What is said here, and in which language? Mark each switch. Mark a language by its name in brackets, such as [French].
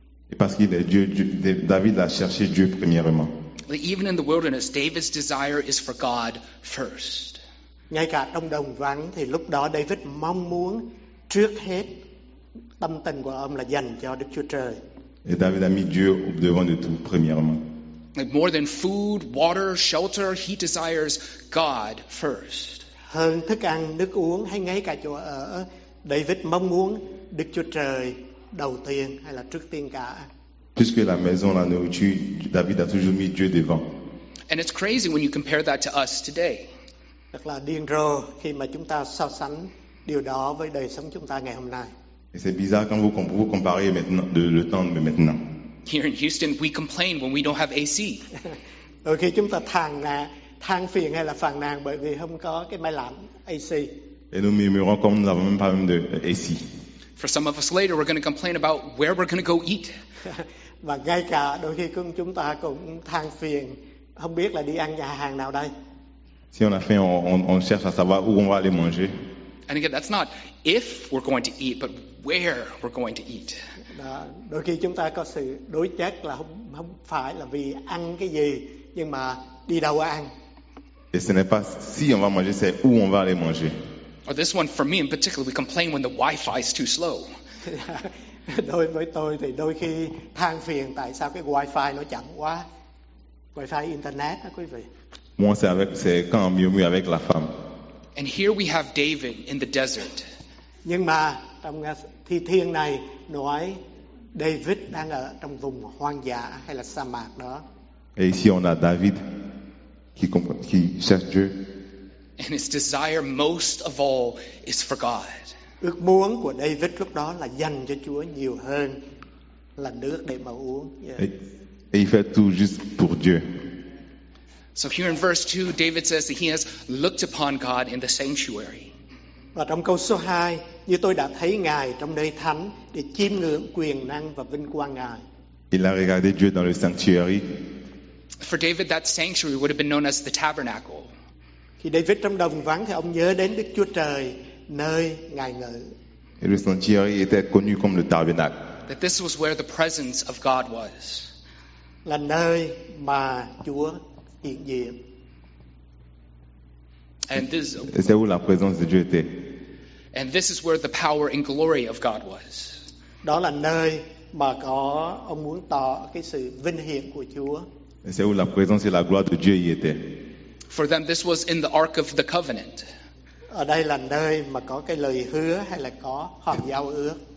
[French] Et parce qu'il est Dieu, David a cherché Dieu premièrement. [English] Even in the wilderness, David's desire is for God first. [Vietnamese] Ngay cả trong đồng vắng thì lúc đó David mong muốn trước hết tâm tình của ông là dành cho Đức Chúa Trời. [French] Et David a mis Dieu au devant de tout premièrement. [English] Like more than food, water, shelter, he desires God first. [Vietnamese] Hơn thức ăn, nước uống hay ngay cả chỗ ở, David mong muốn Đức Chúa Trời đầu tiên hay là trước tiên cả. [French] Plus que la maison, la nourriture, David a toujours mis Dieu devant. [English] And it's crazy when you compare that to us today. [Vietnamese] Thật là điên rồ khi mà chúng ta so sánh điều đó với đời sống chúng ta ngày hôm nay. [French] Et c'est bizarre quand vous comparez maintenant, le temps de maintenant. [English] Here in Houston, we complain when we don't have AC. [Vietnamese] Đôi khi chúng ta than phiền hay là phàn nàn bởi vì không có cái máy lạnh AC. [French] Et nous murmurons comme nous n'avons même pas même de AC. [English] For some of us later, we're going to complain about where we're going to go eat. [Vietnamese] Và ngay cả đôi khi chúng ta cũng than phiền, không biết là đi ăn nhà hàng nào đây. [French] Si on a faim, on cherche à savoir où on va aller manger. [English] And again, that's not if we're going to eat, but where we're going to eat. [Vietnamese] Đôi khi chúng ta có sự đối chất là không phải là vì ăn cái gì, nhưng mà đi đâu ăn. [French] Et ce n'est pas si on va manger, c'est où on va aller manger. [English] Or this one for me in particular, we complain when the Wi-Fi is too slow. [Vietnamese] Đối với tôi thì đôi khi than phiền tại sao cái Wi-Fi nó chậm quá. Wi-Fi internet đó quý vị. [French] Moi c'est quand on murmure avec la femme. [English] And here we have David in the desert. [Vietnamese] Nhưng mà trong thi thiên này nói David đang ở trong vùng hoang dã hay là sa mạc đó. [French] Et ici on a David qui cherche Dieu. [English] And his desire most of all is for God. [Vietnamese] Ước muốn của David lúc đó là dành cho Chúa nhiều hơn là nước để mà uống. [English] Yeah. [French] Et il fait tout juste pour Dieu. [English] So here in verse 2, David says that he has looked upon God in the sanctuary. [Vietnamese] Và trong câu số 2, như tôi đã thấy Ngài trong nơi thánh để chiêm ngưỡng quyền năng và vinh quang Ngài. [French] Il a regardé Dieu dans le sanctuary. [English] For David, that sanctuary would have been known as the tabernacle. [Vietnamese] Khi David trong đồng vắng thì ông nhớ đến Đức Chúa Trời nơi Ngài ngự. [French] Le sanctuaire était connu comme le tabernacle. [English] That this was where the presence of God was. [Vietnamese] Là nơi mà Chúa hiện diện. [English] And this [French] is où la présence de Dieu était. [English] And this is where the power and glory of God was. [Vietnamese] Đó là nơi mà có ông muốn tỏ cái sự vinh hiển của Chúa. [French] Et c'est où la présence et la gloire de Dieu y était. [English] For them, this was in the Ark of the Covenant. [Vietnamese] Ở đây là nơi mà có cái lời hứa hay là có hòm giao ước.